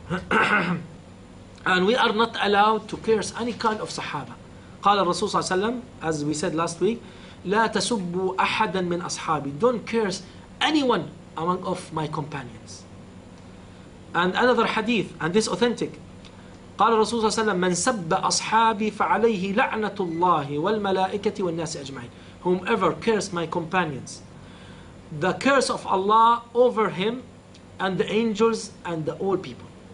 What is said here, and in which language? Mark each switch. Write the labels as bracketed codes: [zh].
[en] And we are not allowed to curse any kind of Sahaba. [ar] قال الرسول صلى الله عليه وسلم, [en] as we said last week, [ar] لا تسبوا أحدا من أصحابي. [en] Don't curse anyone among of my companions. And another hadith, and this authentic. [ar] قال الرسول صلى الله عليه وسلم, من سب أصحابي فعليه لعنة الله والملائكة والناس أجمعين. [en] Whomever curse my companions, the curse of Allah over him and the angels and the all people.